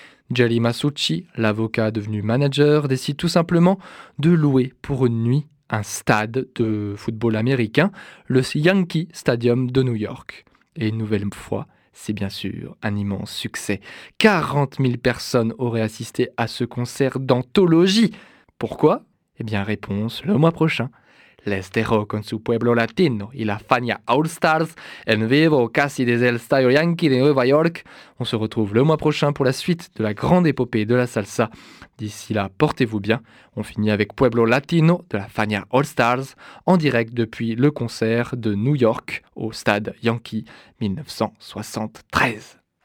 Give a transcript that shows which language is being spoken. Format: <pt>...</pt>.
<fr>Jerry Masucci, l'avocat devenu manager, décide tout simplement de louer pour une nuit un stade de football américain, le Yankee Stadium de New York. Et une nouvelle fois, c'est bien sûr un immense succès. 40 000 personnes auraient assisté à ce concert d'anthologie. Pourquoi ? Eh bien, réponse le mois prochain.</fr> <es>L'Este Rock en su pueblo latino y la Fania All Stars en vivo casi desde el Estadio Yankee de Nueva York.</es> <fr>On se retrouve le mois prochain pour la suite de la grande épopée de la salsa. D'ici là, portez-vous bien. On finit avec Pueblo Latino de la Fania All Stars en direct depuis le concert de New York au Stade Yankee 1973.</fr>